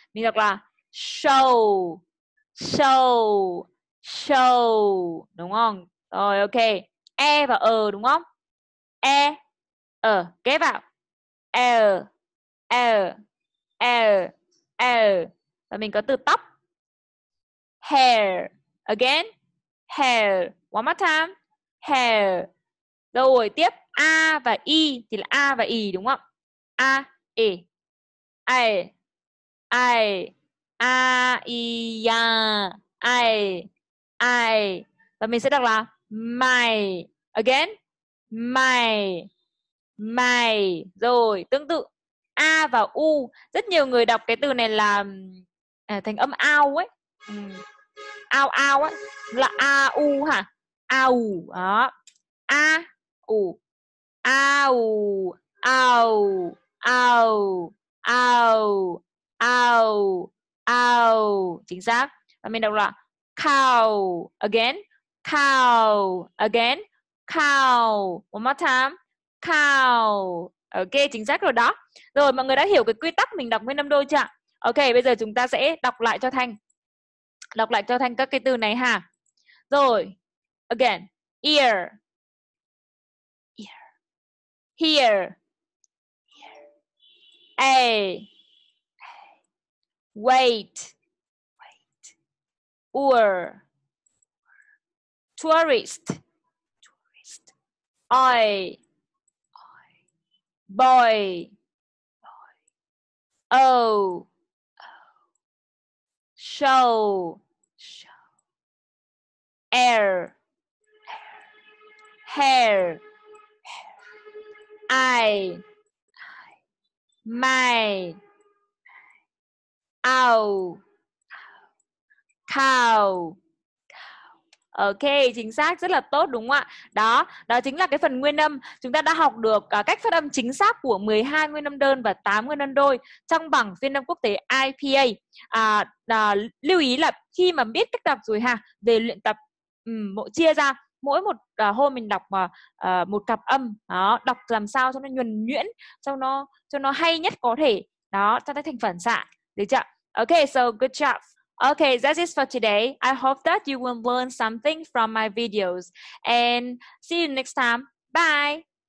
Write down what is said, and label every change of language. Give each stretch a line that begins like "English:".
Vietnamese: Mình đọc là show show show, đúng không? Rồi ok, e và ờ đúng không? E ờ, ghép vào e e e e, và mình có từ tóc hair.
English: Again, hair, one more time, hair.
Vietnamese: Rồi tiếp a và y thì là a và y đúng không? A e i i a i ya i i, và mình sẽ đọc là my.
English: Again, my my.
Vietnamese: Rồi tương tự a và u, rất nhiều người đọc cái từ này là thành âm ao ấy, ao ao ấy, là a u ha, ao đó, a u, ao ao ao ao ao ao, chính xác. Và mình đọc là cow.
English: Again, cow. Again, cow, one more time, cow.
Vietnamese: Ok, chính xác rồi đó. Rồi mọi người đã hiểu cái quy tắc mình đọc nguyên âm đôi chưa ạ? Ok, bây giờ chúng ta sẽ đọc lại cho Thanh, đọc lại cho Thanh các cái từ này ha.
English: Rồi again, ear, hear, a, wait, or, tourist, I, boy, oh, show, air, hair, I, my, ow, cow.
Vietnamese: Ok, chính xác, rất là tốt đúng không ạ? Đó, đó chính là cái phần nguyên âm. Chúng ta đã học được cách phát âm chính xác của 12 nguyên âm đơn và 8 nguyên âm đôi trong bảng phiên âm quốc tế IPA. Lưu ý là khi mà biết cách đọc rồi ha, về luyện tập chia ra, mỗi một hôm mình đọc một cặp âm đó, đọc làm sao cho nó nhuần nhuyễn, cho nó hay nhất có thể. Đó, cho tới thành phần xạ, được chưa?
English: Ok, so good job. Okay, that is for today. I hope that you will learn something from my videos. And see you next time. Bye!